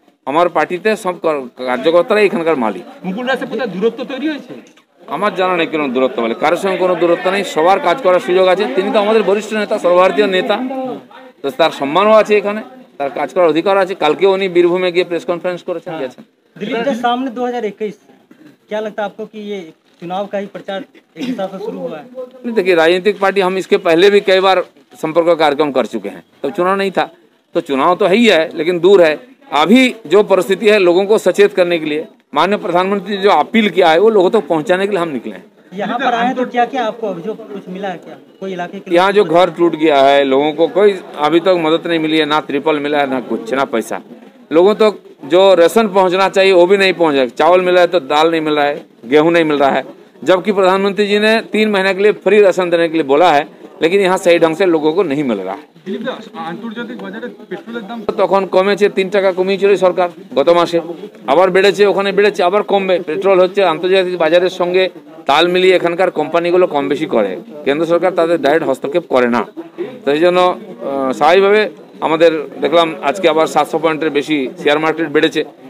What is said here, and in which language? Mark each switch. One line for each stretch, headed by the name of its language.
Bangla: আমার পার্টিতে সব কার্যকর্তারাই এখানকার মালিক। মুকুল রায়ের সাথে দূরত্ব তৈরি হয়েছে? আমার জানা নেই কোনো দূরত্ব বলে, কারোর সঙ্গে কোনো দূরত্ব নেই, সবার কাজ করার সুযোগ আছে। তিনি তো আমাদের বরিষ্ঠ নেতা, সর্বভারতীয় নেতা, তো তার সম্মানও আছে এখানে, তার কাজ করার অধিকার আছে। কালকে উনি বীরভূমে গিয়ে প্রেস কনফারেন্স করেছেন, গেছেন।
Hindi: দিলীপ জি, সামনে 2021 क्या लगता आपको कि ये चुनाव का ही प्रचार एक हिसाब से शुरू हुआ है? नहीं, देखिए राजनीतिक पार्टी हम इसके पहले भी कई बार संपर्क कार्यक्रम कर चुके हैं, तो चुनाव नहीं था, तो चुनाव तो है ही है लेकिन दूर है। अभी जो परिस्थिति है, लोगों को सचेत करने के लिए माननीय प्रधानमंत्री जो अपील किया है, वो लोगों तक पहुंचाने के लिए हम निकले हैं। यहाँ पर आए तो क्या क्या आपको अभी जो कुछ मिला है, क्या कोई इलाके के? यहाँ जो घर टूट गया है, लोगों को कोई अभी तक मदद नहीं मिली है, ना ट्रिपल मिला है, ना कुछ, ना पैसा। लोगों तक जो राशन पहुँचना चाहिए वो भी नहीं पहुँच रहा है, चावल मिला है तो दाल नहीं मिल रहा है, गेहूँ नहीं मिल रहा है, जबकि प्रधानमंत्री जी ने 3 महीने के लिए फ्री राशन देने के लिए बोला है, लेकिन यहाँ सही ढंग से लोगों को नहीं मिल रहा।
Bangla: তখন কমেছে, 3 টাকা কমিয়েছিল সরকার গত মাসে, আবার বেড়েছে, ওখানে বেড়েছে, আবার কমবে। পেট্রোল হচ্ছে আন্তর্জাতিক বাজারের সঙ্গে তাল মিলিয়ে এখানকার কোম্পানিগুলো কম বেশি করে, কেন্দ্র সরকার তাদের ডাইরেক্ট হস্তক্ষেপ করে না। সেই জন্য স্বাভাবিকভাবে আমাদের দেখলাম আজকে আবার 700 পয়েন্টের বেশি শেয়ার মার্কেট বেড়েছে।